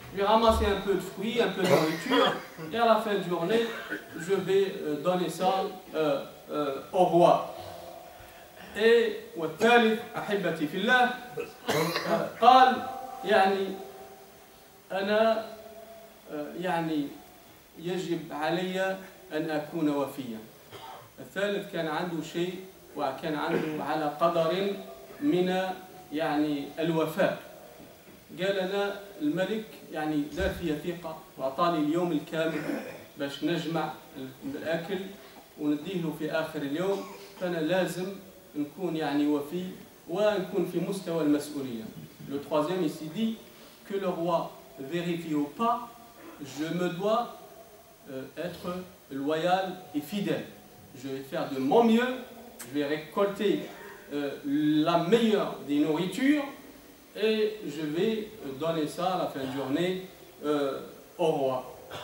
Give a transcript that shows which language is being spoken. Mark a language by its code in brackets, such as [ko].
[fr] Je vais ramasser un peu de fruits, un peu de nourriture, et à la fin de journée, je vais donner ça au roi. Et le troisième, [ar] أحبتي في الله, قال يعني أنا يعني يجب علي أن أكون وفيا. الثالث كان عنده شيء وكان عنده على قدر من يعني الوفاء. قال انا الملك يعني دار فيا ثقه وعطاني اليوم الكامل باش نجمع الاكل ونديه له في اخر اليوم فانا لازم نكون يعني وفي ونكون في مستوى المسؤوليه. [fr] لو ترويزيام ici dit que le roi vérifie ou pas, je me dois être loyal et fidèle. Je vais faire de mon mieux, je vais récolter la meilleure des nourritures. Et je vais donner ça à la fin de journée au roi.